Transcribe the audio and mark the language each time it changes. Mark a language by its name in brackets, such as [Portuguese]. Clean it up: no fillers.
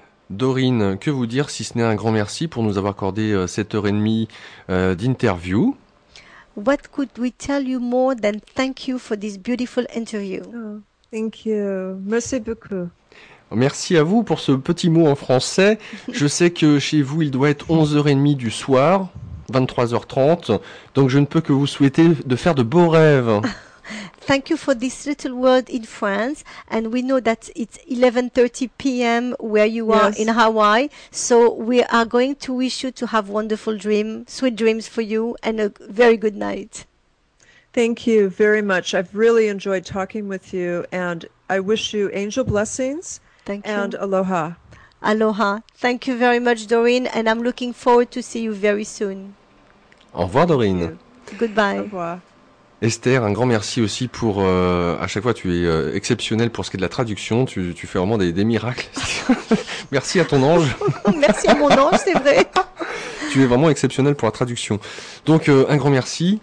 [French] Dorine, que vous dire si ce n'est un grand merci pour nous avoir accordé cette heure et demie d'interview? [English] What could we tell you more than thank you for this beautiful interview? Oh, thank you. [French] Merci beaucoup. Merci à vous pour ce petit mot en français. Je sais que chez vous, il doit être 11h30 du soir, 23h30. Donc, je ne peux que vous souhaiter de faire de beaux rêves. [English] Thank you for this little word in France, and we know that it's 11:30 p.m. where you are, yes, in Hawaii. So we are going to wish you to have wonderful dreams, sweet dreams for you, and a very good night. Thank you very much. I've really enjoyed talking with you, and I wish you angel blessings. Thank you. And aloha. Aloha. Thank you very much, Dorine, and I'm looking forward to see you very soon. [French] Au revoir, Dorine. [English] Goodbye. [French] Au revoir. Esther, un grand merci aussi pour, à chaque fois tu es exceptionnelle pour ce qui est de la traduction, tu fais vraiment des miracles. Merci à ton ange. Merci à mon ange, c'est vrai. tu es vraiment exceptionnelle pour la traduction. Donc, un grand merci.